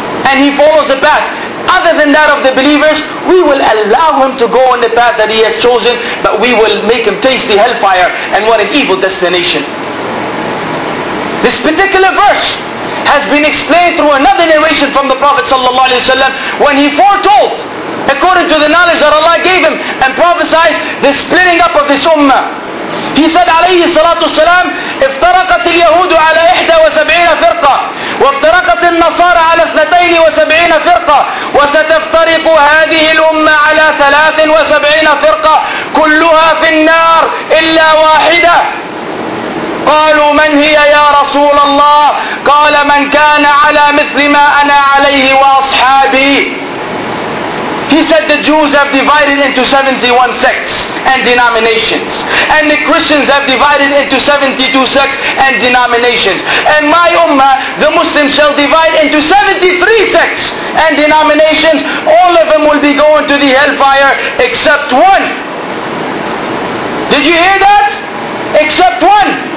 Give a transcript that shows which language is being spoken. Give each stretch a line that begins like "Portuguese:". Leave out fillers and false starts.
English: And he follows the path other than that of the believers. We will allow him to go on the path that he has chosen, but we will make him taste the hellfire, and what an evil destination. This particular verse has been explained through another narration from the Prophet sallallahu alaihi wasallam, when he foretold, according to the knowledge that Allah gave him, and prophesied the splitting up of this ummah. He said
Arabic: عليه الصلاة والسلام افترقت اليهود على 71 فرقة وافترقت النصارى على 72 فرقة وستفترق هذه الأمة على 73 فرقة كلها في النار إلا واحدة. قالوا من هي يا رسول الله؟ قال من كان على مثل ما أنا عليه وأصحابي.
English: He said the Jews have divided into 71 sects and denominations. And the Christians have divided into 72 sects and denominations. And my ummah, the Muslims, shall divide into 73 sects and denominations. All of them will be going to the hellfire except one. Did you hear that? Except one.